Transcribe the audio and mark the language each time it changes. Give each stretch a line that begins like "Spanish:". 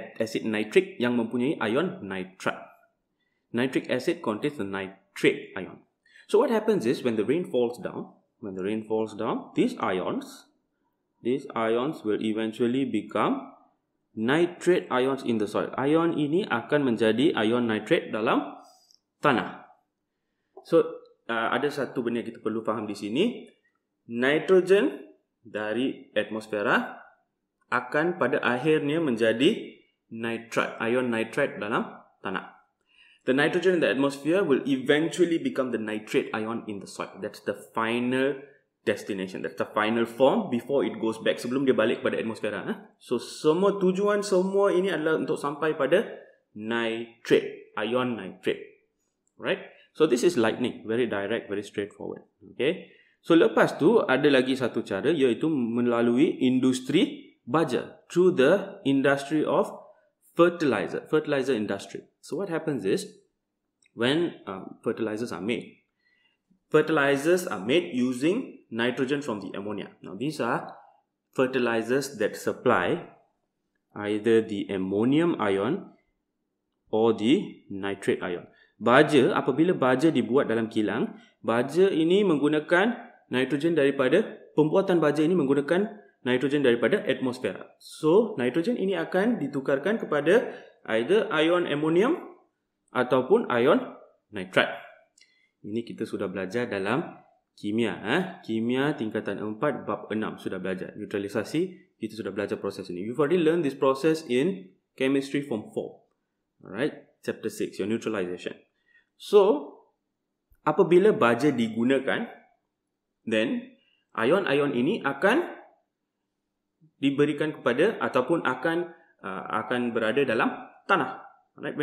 Malay: Acid nitrate yang mempunyai ion nitrite.
English: Nitric acid contains the nitrate ion. So what happens is when the rain falls down, these ions will eventually become nitrate ions in the soil.
Malay: Ion ini akan menjadi ion nitrate dalam tanah. So ada satu benda yang kita perlu faham di sini. Nitrogen dari atmosfera akan pada akhirnya menjadi nitrat, ion nitrat dalam tanah.
English: The nitrogen in the atmosphere will eventually become the nitrate ion in the soil. That's the final destination. That's the final form before it goes back.
Malay: Sebelum dia balik pada atmosfera. So, semua tujuan semua ini adalah untuk sampai pada nitrate, ion nitrate.
English: Right? So this is lightning, very direct, very straightforward.
Malay: Okay. So lepas tu ada lagi satu cara, iaitu melalui industri baja,
English: through the industry of fertilizer industry. So what happens is when fertilizers are made using nitrogen from the ammonia. Now these are fertilizers that supply either the ammonium ion or the nitrate ion.
Malay: Baja, apabila baja dibuat dalam kilang, baja ini menggunakan nitrogen daripada, pembuatan baja ini menggunakan nitrogen daripada atmosfera. So, nitrogen ini akan ditukarkan kepada either ion ammonium ataupun ion nitrat. Ini kita sudah belajar dalam kimia. Kimia tingkatan 4, bab 6 sudah belajar. Neutralisasi, kita sudah belajar proses ini.
English: You've already learned this process in chemistry form 4. Alright? Chapter 6, your neutralization.
Malay: So, apabila baja digunakan, then ion-ion ini akan diberikan kepada ataupun akan berada dalam tanah.
English: Right?